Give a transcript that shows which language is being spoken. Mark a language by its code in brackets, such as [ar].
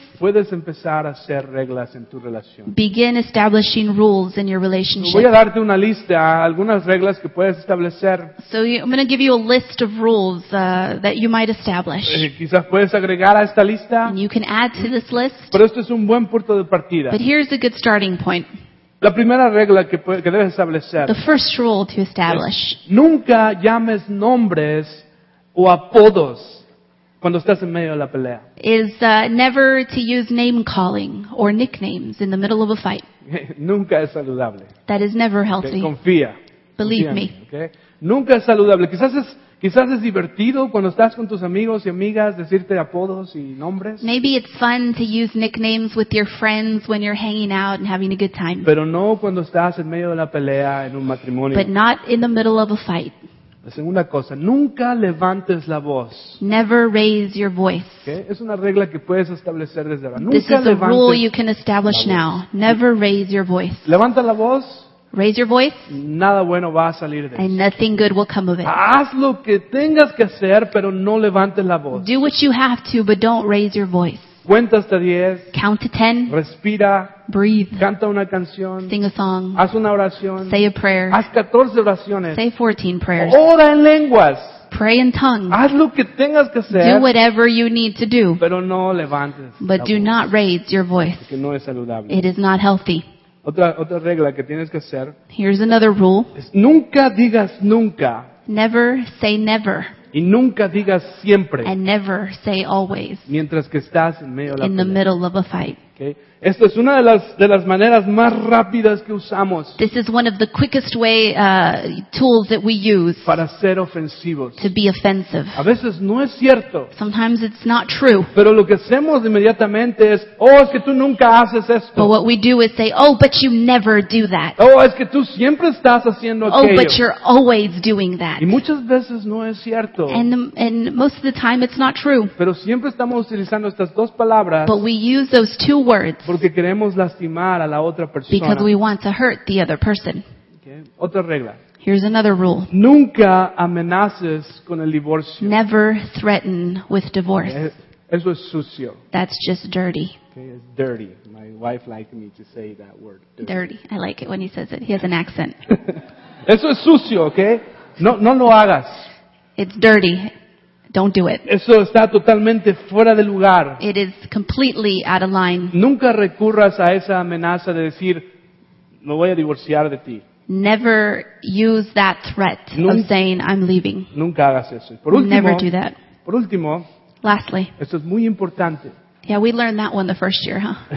[es] Puedes empezar a hacer reglas en tu relación. [en] Begin establishing rules in your relationship. [es] Voy a darte una lista, algunas reglas que puedes establecer. [en] So I'm going to give you a list of rules that you might establish. [es] Quizás puedes agregar a esta lista. [en] And you can add to this list. [es] Pero esto es un buen punto de partida. [en] But here's a good starting point. [es] La primera regla que debes establecer. [en] The first rule to establish. [es] Nunca llames nombres o apodos. Cuando estás en medio de la pelea. [en] Is never to use name calling or nicknames in the middle of a fight. [es] Nunca es saludable. [en] That is never healthy. [es] Confía. [en] Believe [es] Confía [en] me. [es] Okay? nunca es saludable. Quizás es divertido cuando estás con tus amigos y amigas decirte apodos y nombres. [en] Maybe it's fun to use nicknames with your friends when you're hanging out and having a good time. [es] Pero no cuando estás en medio de la pelea en un matrimonio. [en] But not in the middle of a fight. [es] La segunda cosa, nunca levantes la voz. [en] Never raise your voice. ¿Okay? [es] Es una regla que puedes establecer desde ahora. [en] This is a rule you can establish now. Never raise your voice. [es] Levanta la voz. [en] Raise your voice. [es] Nada bueno va a salir de eso. [en] And nothing good will come of it. [es] Haz lo que tengas que hacer, pero no levantes la voz. [en] Do what you have to, but don't raise your voice. [es] Cuenta hasta 10. [en] Count to 10. [es] Respira. [en] Breathe. [es] Canta una canción. [en] Sing a song. [es] Haz una oración. [en] Say a prayer. [es] Haz 14 oraciones. [en] Say 14 prayers. [es] Ora en lenguas. [en] Pray in tongues. [es] Haz lo que tengas que hacer. [en] Do whatever you need to do. [es] Pero no levantes. [en] But do not raise your voice. [es] Porque no es saludable. [en] It is not healthy. [es] Otra regla que tienes que hacer. [en] Here's another rule. [es] Nunca digas nunca. [en] Never say never. [es] Y nunca digas siempre. [en] And never say always. [es] Mientras que estás en medio de la pelea. [en] In the middle of a fight. Okay. [es] Esto es una de las maneras más rápidas que usamos. [en] This is one of the quickest way tools that we use. [es] Para ser ofensivos. [en] To be offensive. [es] A veces no es cierto. [en] Sometimes it's not true. [es] Pero lo que hacemos inmediatamente es, oh, es que tú nunca haces esto. [en] But what we do is say, oh, but you never do that. [es] Oh, es que tú siempre estás haciendo aquello. [en] Oh, but you're always doing that. [es] Y muchas veces no es cierto. [en] And most of the time it's not true. [es] Pero siempre estamos utilizando estas dos palabras. [en] But we use those two words. [es] Porque queremos lastimar a la otra persona. [en] Because we want to hurt the other person. [es] Okay. Otra regla. [en] Here's another rule. [es] Nunca amenaces con el divorcio. [en] Never threaten with divorce. [es] Okay. Eso es sucio. [en] That's just dirty. Okay. It's dirty. My wife liked me to say that word. Dirty. I like it when he says it. He has an accent. [es] Eso es sucio, okay? No, no lo hagas. [en] It's dirty. Don't do it. [es] Eso está totalmente fuera de lugar. [en] It is completely out of line. [es] Nunca recurras a esa amenaza de decir, me voy a divorciar de ti. [en] Never use that threat of saying, I'm leaving. [es] Nunca hagas eso. Por último, [en] never do that. [es] Por último, [en] lastly, [es] esto es muy importante. [en] Yeah, we learned that one the first year, huh?